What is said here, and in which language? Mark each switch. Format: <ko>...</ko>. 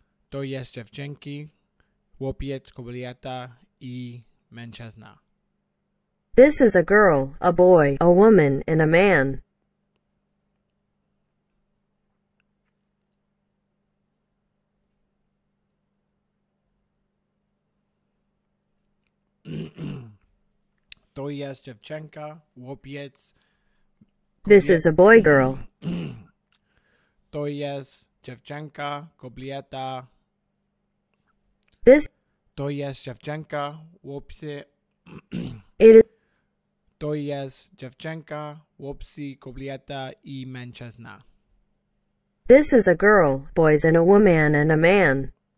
<pl>To jest dziewczynki, chłopiec, kobieta i mężczyzna.</pl> <en>This is a girl, a boy, a woman, and a man.</en> <pl>To jest dziewczynka, chłopiec.</pl> <en>This is a boy, girl.</en> <pl>To jest dziewczynka, kobieta.</pl> <en>This.</en> <pl>To jest dziewczynka, chłopcy.</pl> <en>It is.</en> <pl>To jest dziewczynka, chłopcy, kobieta i mężczyzna.</pl> <en>This is a girl, boys and a woman and a man.</en>